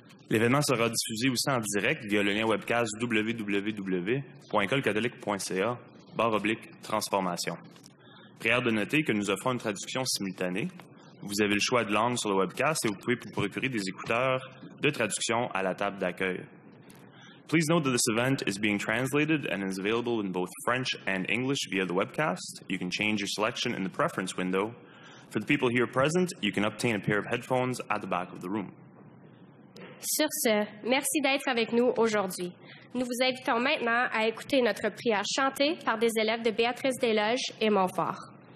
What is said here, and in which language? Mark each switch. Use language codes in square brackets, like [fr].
[fr] L'événement sera diffusé aussi en direct via le lien webcast www.ecolecatholique.ca/transformation. Prière de noter que nous offrons une traduction simultanée. Vous avez le choix de langue sur le webcast et vous pouvez vous procurer des écouteurs de traduction à la table d'accueil. [en] Please note that this event is being translated and is available in both French and English via the webcast. You can change your selection in the preference window. For the people here present, you can obtain a pair of headphones at the back of the room. [fr] Sur ce, merci d'être avec nous aujourd'hui. Nous vous invitons maintenant à écouter notre prière chantée par des élèves de Béatrice Desloges et Montfort.